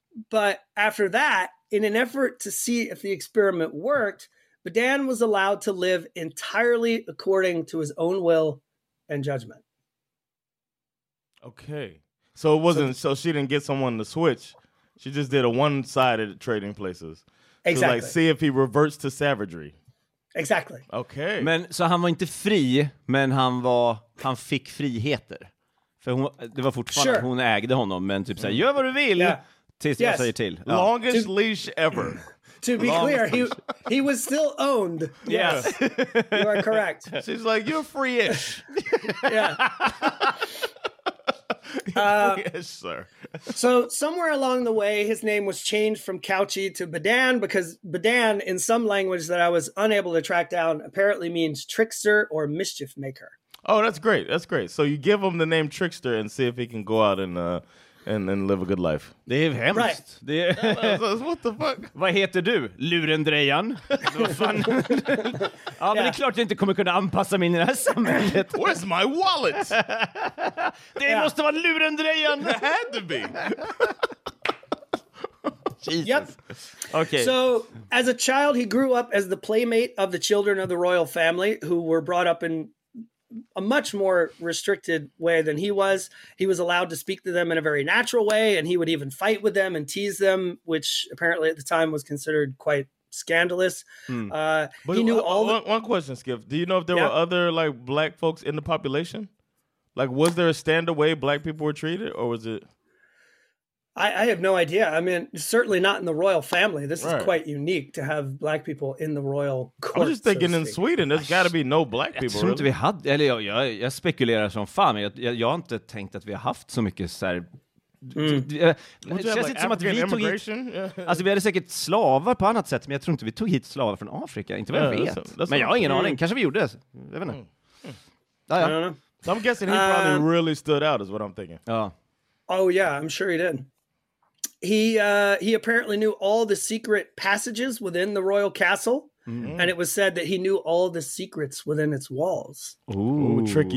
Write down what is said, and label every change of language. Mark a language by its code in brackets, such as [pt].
[en] But after that, in an effort to see if the experiment worked, Badan was allowed to live entirely according to his own will and judgment. Okay. So she didn't get someone to switch. She just did a one-sided Trading Places. Exactly. To like see if he reverts to savagery. Exactly. Okay. [sv] Men så han var inte fri, men han fick friheter. För hon, det var fortfarande hon ägde honom, men typ så här, gör vad du vill tills jag säger till. [en] Ja. Longest leash ever. To be clear, he was still owned. Yes. You are correct. She's like, you're free-ish. Yes, sir. So somewhere along the way, his name was changed from Couchy to Badan, because Badan, in some language that I was unable to track down, apparently means trickster or mischief maker. Oh, that's great. That's great. So you give him the name Trickster and see if he can go out and live a good life. [sv] Det är hemskt. [en] Right. [sv] Det är... [en] What the fuck? [sv] Vad heter du? Lurendrejan? Vad fan? Ja, men det är klart att jag inte kommer kunna anpassa mig in i det här samhället. [en] Where's my wallet? [sv] Det måste vara Lurendrejan. [en] It had to be. Jesus. Yep. Okay. So, as a child, he grew up as the playmate of the children of the royal family, who were brought up in a much more restricted way than he was. He was allowed to speak to them in a very natural way, and he would even fight with them and tease them, which apparently at the time was considered quite scandalous. But he knew one question, Skip. Do you know if there were other like black folks in the population? Like, was there a standard way black people were treated, or was it? I have no idea. I mean, certainly not in the royal family. This is quite unique to have black people in the royal court. I'm just thinking in Sweden, there's got to be no black people. [sv] Jag tror inte vi hade, eller jag spekulerar som fan, men jag har inte tänkt att vi har haft så mycket så här. Känns inte som att vi tog hit, alltså vi hade säkert slavar på annat sätt, men jag tror inte vi tog hit slavar från Afrika, inte vad jag vet. Men jag har ingen aning, kanske vi gjorde det. Jag vet inte. [en] I don't know. So I'm guessing he probably really stood out is what I'm thinking. Oh yeah, I'm sure he did. He apparently knew all the secret passages within the royal castle, and it was said that he knew all the secrets within its walls. Ooh,